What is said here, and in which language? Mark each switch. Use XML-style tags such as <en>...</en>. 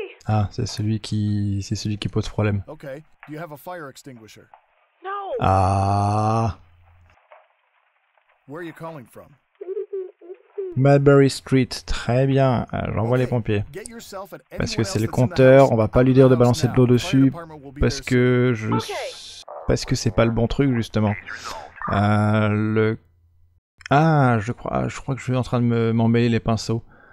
<fr>Ah, c'est celui qui pose problème. Okay.</fr> <en>Do you have a fire extinguisher? No. Ah. Where are you calling from?</en> <fr>Mulberry Street, très bien. J'envoie les pompiers. Parce que c'est le compteur, on va pas lui dire de balancer de l'eau dessus parce que c'est pas le bon truc justement. Je crois que je suis en train de m'emmêler les pinceaux.</fr>